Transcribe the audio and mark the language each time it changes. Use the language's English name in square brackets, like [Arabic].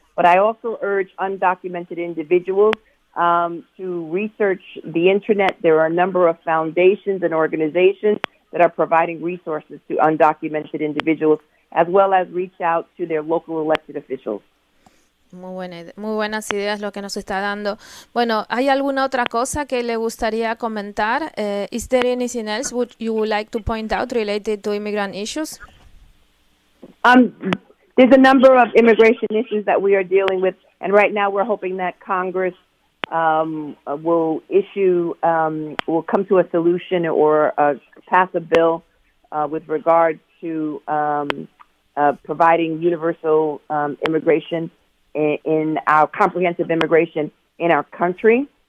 [English] But I also urge undocumented individuals to research the internet. There are a number of foundations and organizations that are providing resources to undocumented individuals, as well as reach out to their local elected officials. [Spanish] Muy buenas ideas lo que nos está dando. Bueno, ¿hay alguna otra cosa que le gustaría comentar? [English] Is there anything else would you would like to point out related to immigrant issues? There's a number of immigration issues that we are dealing with, and right now we're hoping that Congress will come to a solution or pass a bill with regard to providing universal immigration in our comprehensive immigration in our country.